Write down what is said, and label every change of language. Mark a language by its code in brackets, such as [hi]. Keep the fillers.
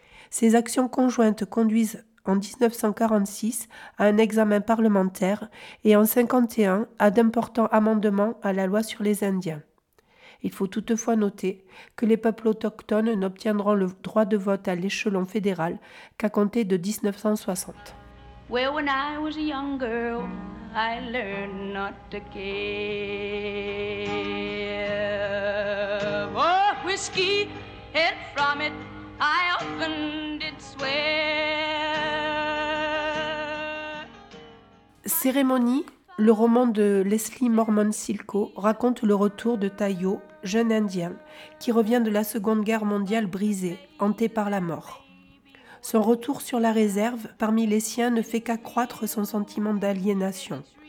[fr] Ces actions conjointes conduisent en 1946 à un examen parlementaire et en 1951 à d'importants amendements à la loi sur les Indiens. Il faut toutefois noter que les peuples autochtones n'obtiendront le droit de vote à l'échelon fédéral qu'à compter de 1960. [en] Well, when I was a young girl, I learned not to give. Oh, whiskey, and from it, I often did swear. [fr] Cérémonie, le roman de Leslie Mormon Silko raconte le retour de Tayo, jeune indien, qui revient de la Seconde Guerre mondiale brisé, hanté par la mort. Son retour sur la réserve parmi les siens ne fait qu'accroître son sentiment d'aliénation.